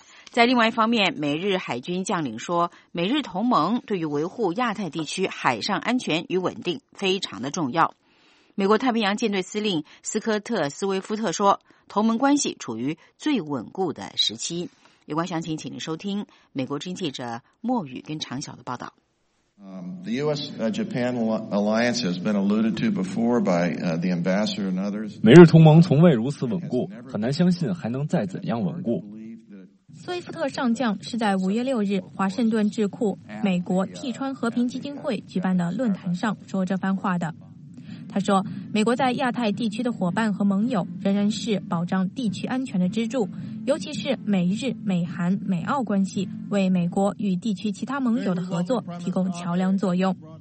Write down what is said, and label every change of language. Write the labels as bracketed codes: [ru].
[zh] 在另外一方面，美日海军将领说，美日同盟对于维护亚太地区海上安全与稳定非常的重要。美国太平洋舰队司令斯科特·斯威夫特说，同盟关系处于最稳固的时期。有关详情请您收听美国之音记者莫宇跟常晓的报道。 [en] The U.S.-Japan alliance has been alluded to before by the ambassador and others. [zh] 美日同盟从未如此稳固，很难相信还能再怎样稳固。斯威夫特上将是在5月6日华盛顿智库美国替川和平基金会举办的论坛上说这番话的。他说，美国在亚太地区的伙伴和盟友仍然是保障地区安全的支柱，尤其是美日、美韩、美澳关系为美国与地区其他盟友的合作提供桥梁作用。